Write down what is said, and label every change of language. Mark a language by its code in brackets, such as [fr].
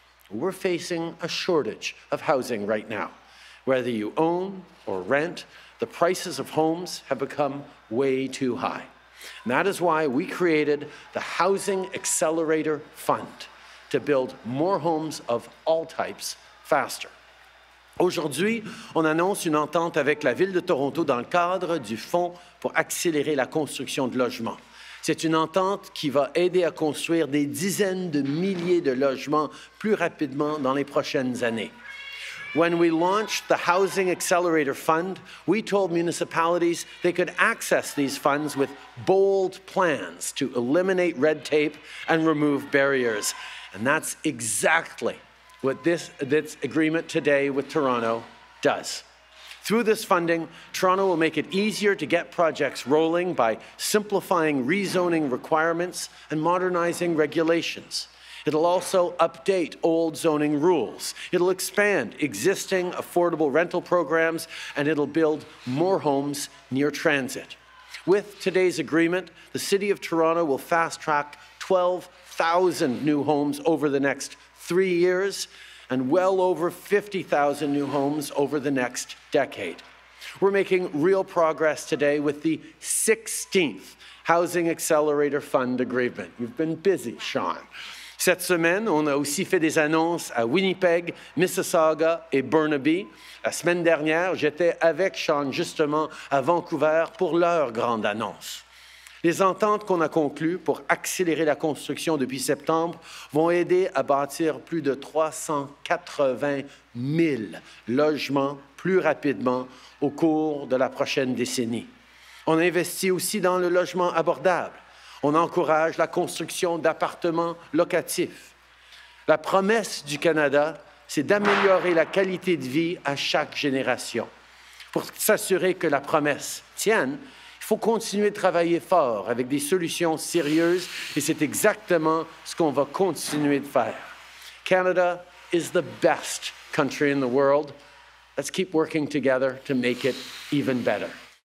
[en] We're facing a shortage of housing right now. Whether you own or rent, the prices of homes have become way too high. And that is why we created the Housing Accelerator Fund, to build more homes of all types faster. [fr] Aujourd'hui, on annonce une entente avec la ville de Toronto dans le cadre du fonds pour accélérer la construction de logements. C'est une entente qui va aider à construire des dizaines de milliers de logements plus rapidement dans les prochaines années. [en] When we launched the Housing Accelerator Fund, we told municipalities they could access these funds with bold plans to eliminate red tape and remove barriers. And that's exactly what this agreement today with Toronto does. Through this funding, Toronto will make it easier to get projects rolling by simplifying rezoning requirements and modernizing regulations. It'll also update old zoning rules. It'll expand existing affordable rental programs, and it'll build more homes near transit. With today's agreement, the City of Toronto will fast-track 12,000 new homes over the next 3 years, and well over 50,000 new homes over the next decade. We're making real progress today with the 16th Housing Accelerator Fund agreement. You've been busy, Sean. [fr] Cette semaine, on a aussi fait des annonces à Winnipeg, Mississauga et Burnaby. La semaine dernière, j'étais avec Sean justement à Vancouver pour leur grande annonce. Les ententes qu'on a conclues pour accélérer la construction depuis septembre vont aider à bâtir plus de 380 000 logements plus rapidement au cours de la prochaine décennie. On investit aussi dans le logement abordable. On encourage la construction d'appartements locatifs. La promesse du Canada, c'est d'améliorer la qualité de vie à chaque génération. Pour s'assurer que la promesse tienne, il faut continuer de travailler fort avec des solutions sérieuses et c'est exactement ce qu'on va continuer de faire. [en] Canada is the best country in the world. Let's keep working together to make it even better.